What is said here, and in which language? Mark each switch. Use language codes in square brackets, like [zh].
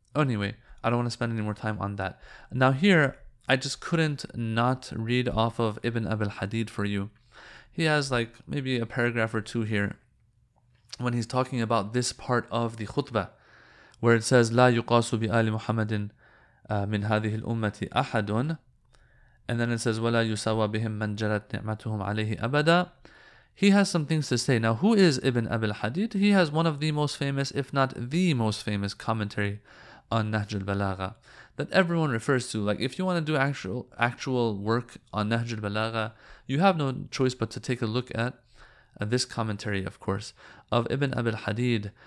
[en] Anyway, I don't want to spend any more time on that. Now here, I just couldn't not read off of Ibn Abil Hadid for you. He has like maybe a paragraph or two here when he's talking about this part of the khutbah where it says, [ar] لا يقاس بآل محمد من هذه الأمة أحد. [en] And then it says, [ar] ولا يساوى بهم من جرت نعمتهم عليه أبدا. [en] He has some things to say. Now, who is Ibn Abil Hadid? He has one of the most famous, if not the most famous, commentary on Nahj al-Balagha that everyone refers to. Like, if you want to do actual work on Nahj al-Balagha, you have no choice but to take a look at this commentary, of course, of Ibn Abil Hadid.